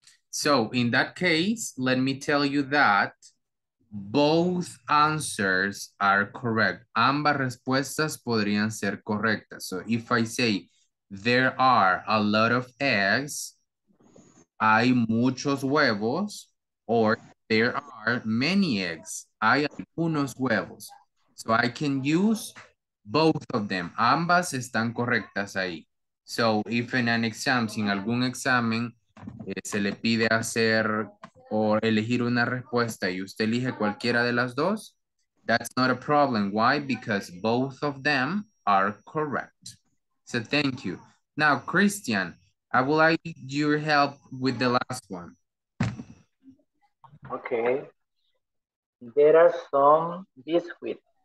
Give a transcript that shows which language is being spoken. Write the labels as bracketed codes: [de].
[en] So, in that case, let me tell you that both answers are correct. [es] Ambas respuestas podrían ser correctas. [en] So, if I say there are a lot of eggs, [es] hay muchos huevos, [en] or there are many eggs, [es] hay algunos huevos. [en] So I can use both of them. [es] Ambas están correctas ahí. [en] So if in an exam, [es] sin algún examen, se le pide hacer o elegir una respuesta y usted elige cualquiera de las dos, [en] that's not a problem. Why? Because both of them are correct. So thank you. Now, Christian, I would like your help with the last one. Okay. There are some biscuits.